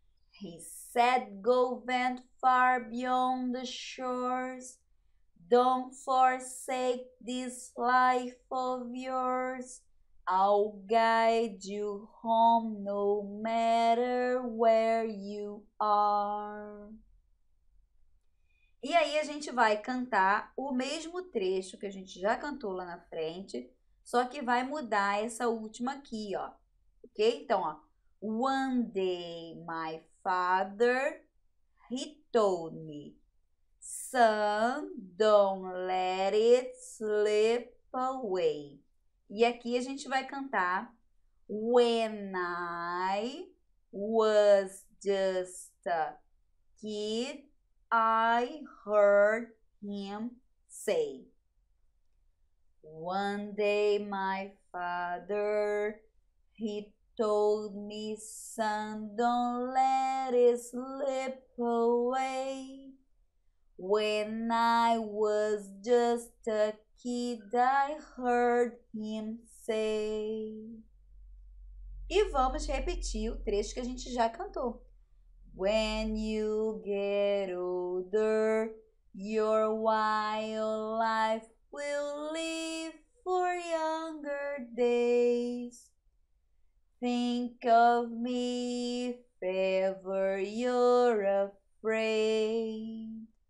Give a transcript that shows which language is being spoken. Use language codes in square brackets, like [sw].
[en] He said, go vent far beyond the shores. Don't forsake this life of yours. I'll guide you home no matter where you are. [pt] E aí a gente vai cantar o mesmo trecho que a gente já cantou lá na frente, só que vai mudar essa última aqui, ó. Ok? Então, ó. [en] One day, my father, he told me, son, don't let it slip away. [pt] E aqui a gente vai cantar, [en] when I was just a kid, I heard him say, one day my father, he told me, son, don't let it slip away. When I was just a kid, I heard him say. [pt] E vamos repetir o trecho que a gente já cantou. [en] When you get older, your wild life will live for younger days. Think of me if ever you're afraid.